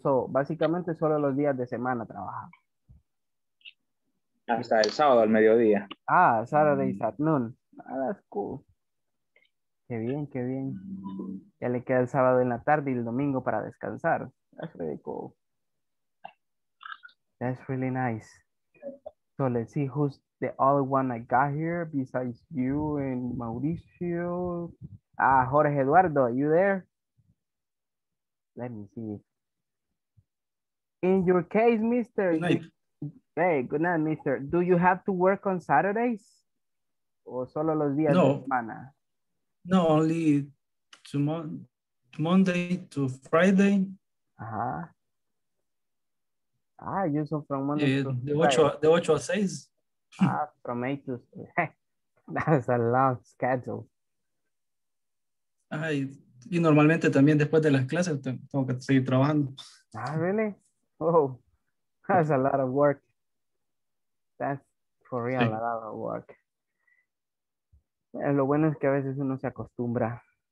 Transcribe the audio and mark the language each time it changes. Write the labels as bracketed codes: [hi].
[es] So básicamente solo los días de semana trabaja. Hasta el sábado al mediodía. [en] Ah, Saturdays at noon. Oh, that's cool. [es] Qué bien, qué bien. Ya le queda el sábado en la tarde y el domingo para descansar. [en] That's really cool. That's really nice. So let's see who's the other one I got here besides you and Mauricio. Ah, Jorge Eduardo, are you there? Let me see. In your case, mister. Good night. Hey, good night, mister. Do you have to work on Saturdays? Or [es] solo los días no. de semana? [en] No, only Monday to Friday. Uh huh. Ah, you so from Monday the 8 to 6. Ah, from 8 to 6. That's a long schedule. [es] Ay, y normalmente también después de las clases tengo que seguir trabajando. [en] Ah, really? Oh, that's a lot of work. That's for real, sí. A lot of work. [es] Lo bueno es que a veces uno se acostumbra.